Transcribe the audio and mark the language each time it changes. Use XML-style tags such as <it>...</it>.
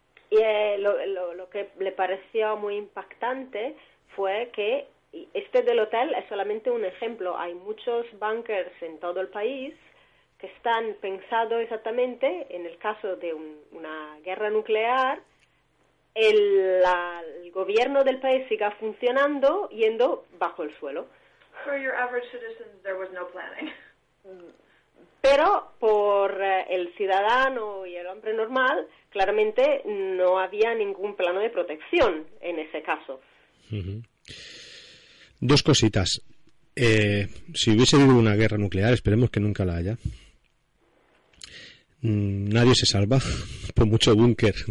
<es>Y lo que le pareció muy impactante fue que este del hotel es solamente un ejemplo. Hay muchos bunkers en todo el país que están pensados exactamente en el caso de una guerra nuclear. El gobierno del país siga funcionando yendo bajo el suelo.</es> <en>For your average citizens, there was no planning.</en> <es>Pero por el ciudadano y el hombre normal, claramente no había ningún plano de protección en ese caso. Uh-huh. Dos cositas. Si hubiese habido una guerra nuclear, esperemos que nunca la haya, nadie se salva, por mucho búnker.</es>